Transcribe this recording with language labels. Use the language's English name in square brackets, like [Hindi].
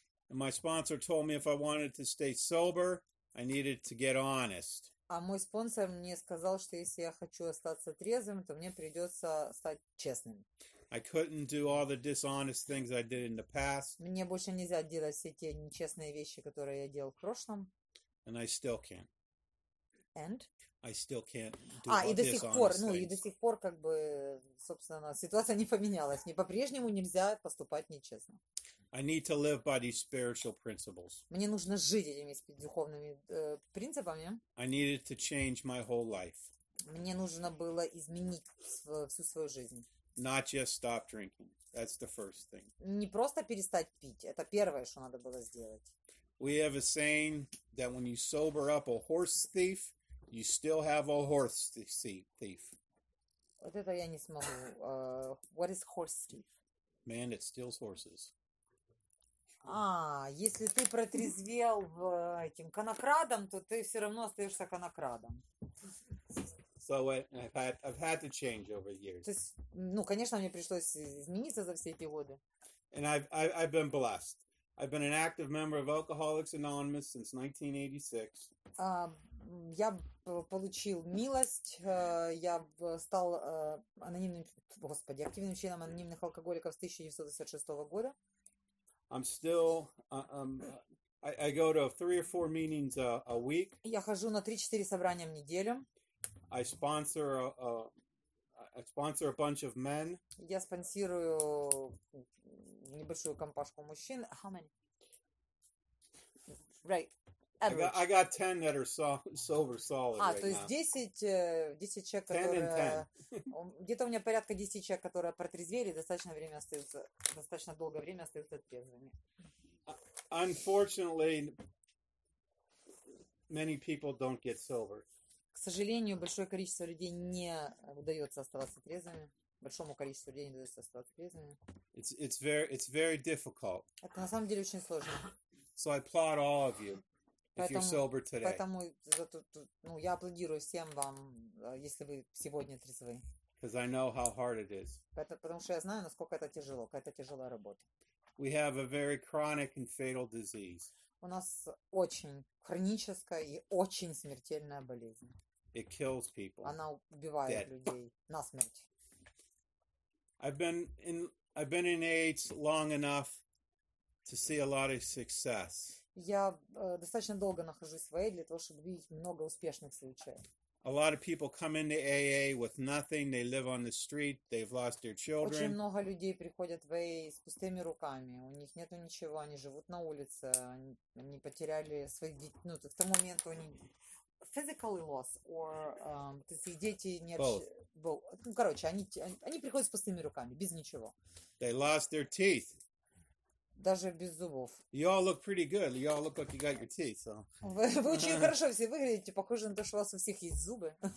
[English] And my sponsor told me if I wanted to stay sober, I needed to get honest. [Russian] А мой спонсор мне сказал, что если я хочу остаться трезвым, то мне придется стать честным. [English] I couldn't do all the dishonest things I did in the past. [Russian] Мне больше нельзя делать все те нечестные вещи, которые я делал в прошлом. [English] And I still can't. And? I still can't do all the dishonest things. [Russian] Ну, и до сих пор, как бы, собственно, ситуация не поменялась. Мне по-прежнему нельзя поступать нечестно. [English] I need to live by these spiritual principles. [Russian] Мне нужно жить этими духовными принципами. [English] I needed to change my whole life. [Russian] Мне нужно было изменить всю свою жизнь. [English] Not just stop drinking. That's the first thing. [Russian] Не просто перестать пить. Это первое, что надо было сделать. [English] We have a saying that when you sober up a horse thief, you still have a horse thief. [Russian] Вот это я не смогу. [English] What is horse thief? Man that steals horses. [Russian] А, если ты протрезвел этим конокрадом, то ты все равно остаешься конокрадом. [English] So I've had to change over the years. [Russian] То есть, ну, конечно, мне пришлось измениться за все эти годы. [English] And I've been blessed. I've been an active member of Alcoholics Anonymous since 1986. [Russian] Я получил милость. Я стал анонимным, господи, активным членом анонимных алкоголиков с 1986 года. [English] I'm still. I go to 3 or 4 meetings a week. [Russian] Я хожу на 3-4 собрания в неделю. [English] I sponsor a bunch of men. [Russian] Я спонсирую небольшую компашку мужчин. [English] How many? Right. Average. I got 10 that are sober solid. [Russian] А, [English] right, [Russian] то есть 10 человек, которые... [English] 10 and 10. [Russian] Где-то у меня порядка 10 человек, которые протрезвели, достаточно время остаются, достаточно долгое время остаются трезвыми. [English] Unfortunately, many people don't get sober. [Russian] К сожалению, большое количество людей не удается оставаться трезвыми. Большому количеству людей не удается оставаться трезвыми. [English] It's very difficult. [Russian] Это на самом деле очень сложно. [English] So I applaud all of you if [Russian] поэтому, [English] you're sober today. [Russian] Поэтому ну, я аплодирую всем вам, если вы сегодня трезвы. [English] Because I know how hard it is. [Russian] Потому что я знаю, насколько это тяжело, какая это тяжелая работа. [English] We have a very chronic and fatal disease. [Russian] У нас очень хроническая и очень смертельная болезнь. [English] It kills people. [Russian] Она убивает [English] dead. [Russian] Людей насмерть. [English] I've been in AIDS long enough to see a lot of success. [Russian] Я достаточно долго нахожусь в AIDS для того, чтобы видеть много успешных случаев. [English] A lot of people come into AA with nothing. They live on the street. They've lost their children. [Russian] Очень много людей приходят в AA с пустыми руками. У них нету ничего. Они живут на улице. Они потеряли своих детей. Ну, в тот момент они [English] physically lost or [Russian] то есть их дети не [English] Both. [Russian] Ну, короче, они приходят с пустыми руками, без ничего. [English] They lost their teeth. [Russian] Даже без зубов. [English] You all look pretty good. You all look like you got your teeth, so. [Russian] Вы очень хорошо все выглядите. Похоже на то, что у вас у всех есть зубы.